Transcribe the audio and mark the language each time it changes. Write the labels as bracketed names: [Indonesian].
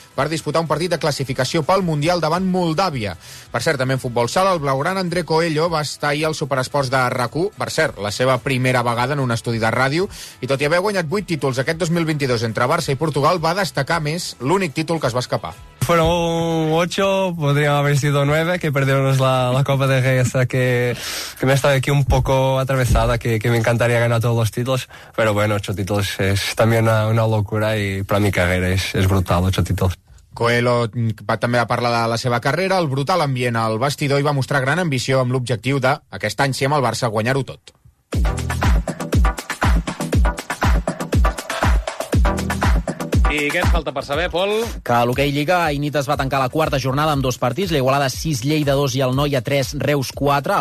[Catalan] per disputar un partit de classificació pel Mundial davant Moldàvia. Per cert, també en futbol sala, el blaugrana André Coello va estar ahir al Superesports de RAC1, per cert, la seva primera vegada en un estudi de ràdio, i tot i haver guanyat 8 títols aquest 2022 entre Barça i Portugal, va destacar més l'únic títol que es va escapar. [Spanish] Fueron 8, podrían haber sido 9, que perdieron la Copa de Rey, esa que me ha estado aquí un poco atravesada, que me encantaría ganar todos los títulos, pero bueno, 8 títulos es también una locura y para mi carrera es brutal, 8 títulos. [Catalan] Coelho també va parlar de la seva carrera, el brutal ambient al vestidor, i va mostrar gran ambició amb l'objectiu de, aquest any, si amb el Barça, guanyar-ho tot. I què ens falta per saber, Pol? Que a l'Hockey Lliga, ahir nit es va tancar la quarta jornada amb dos partits, l'Igualada 6, Lleida 2 i el Noia 3, Reus 4.